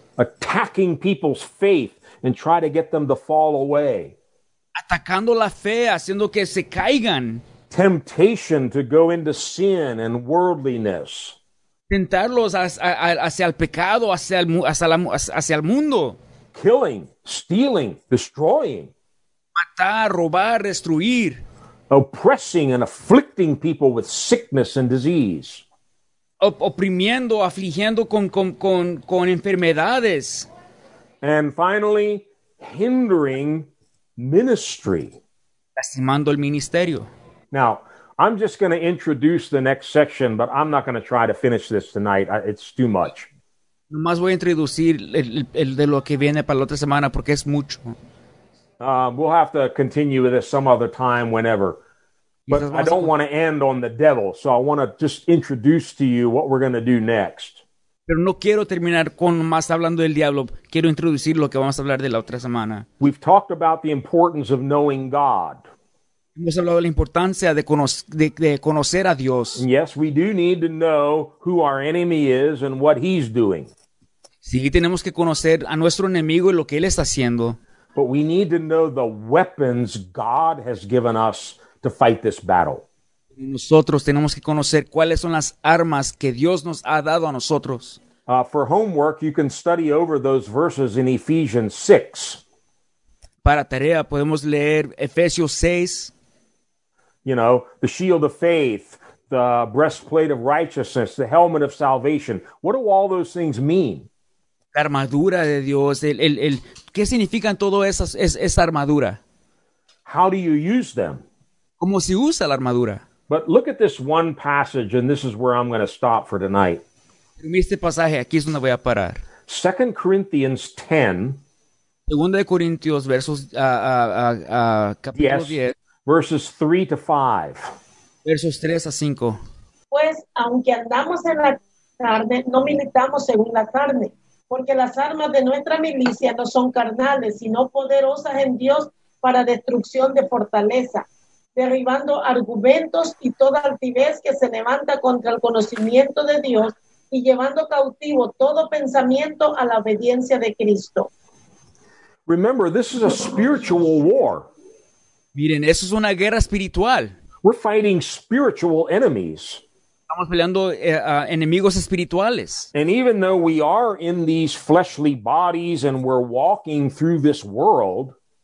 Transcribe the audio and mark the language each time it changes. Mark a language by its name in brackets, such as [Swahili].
[English] Attacking people's faith and try to get them to fall away. [Spanish] Atacando la fe, haciendo que se caigan. [English] Temptation to go into sin and worldliness. [Spanish] Tentarlos hacia el pecado, hacia el mundo. [English] Killing, stealing, destroying. [Spanish] Matar, robar, destruir. [English] Oppressing and afflicting people with sickness and disease. [Spanish] Oprimiendo, afligiendo con enfermedades. [English] And finally, hindering ministry. [Spanish] Lastimando el ministerio. [English] Now, I'm just going to introduce the next section, but I'm not going to try to finish this tonight. It's too much. [Spanish] Nomás voy a introducir el de lo que viene para la otra semana porque es mucho. [English] We'll have to continue with this some other time, whenever. But I don't want to end on the devil, so I want to just introduce to you what we're going to do next. [Spanish] Pero no quiero terminar con más hablando del diablo. Quiero introducir lo que vamos a hablar de la otra semana. [English] We've talked about the importance of knowing God. [Spanish] Hemos hablado de la importancia de conocer a Dios. [English] And yes, we do need to know who our enemy is and what he's doing. [Spanish] Sí, tenemos que conocer a nuestro enemigo y lo que él está haciendo. [English] But we need to know the weapons God has given us to fight this battle. [Spanish] Nosotros tenemos que conocer cuáles son las armas que Dios nos ha dado a nosotros. [English] For homework, you can study over those verses in Ephesians 6. [Spanish] Para tarea, podemos leer Efesios 6. [English] You know, the shield of faith, the breastplate of righteousness, the helmet of salvation. What do all those things mean? [Spanish] La armadura de Dios. ¿Qué significan todas esa armadura? [English] How do you use them? [Spanish] ¿Cómo se usa la armadura? [English] But look at this one passage, and this is where I'm going to stop for tonight. [Spanish] Este pasaje, aquí es donde voy a parar. [English] 2 Corinthians 10. [Spanish] 2 Corintios, versos, capítulo [English] yes. [Spanish] 10. [English] Verses 3 to 5. [Spanish] Versos 3 a 5. Pues, aunque andamos en la carne, no militamos según la carne, porque las armas de nuestra milicia no son carnales, sino poderosas en Dios para destrucción de fortaleza, derribando argumentos y toda altivez que se levanta contra el conocimiento de Dios y llevando cautivo todo pensamiento a la obediencia de Cristo. [English] Remember, this is a spiritual war. [Spanish] Miren, eso es una guerra espiritual. [English] We're fighting spiritual enemies. [Spanish] Estamos peleando enemigos espirituales. [English] And even though we are in these fleshly bodies and we're walking through this world,